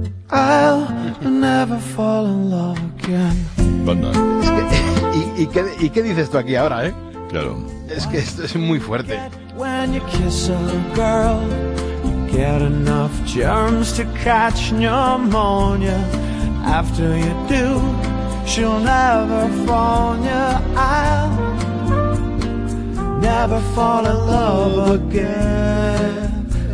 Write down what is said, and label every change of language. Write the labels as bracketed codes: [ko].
[en] I'll never fall in love again. [es] Bueno, es que, ¿y qué dices tú aquí ahora, eh? Claro. Es que esto es muy fuerte. [en] When you kiss a girl, you get enough germs to catch pneumonia. After you do, she'll never phone you. I'll never fall in love again.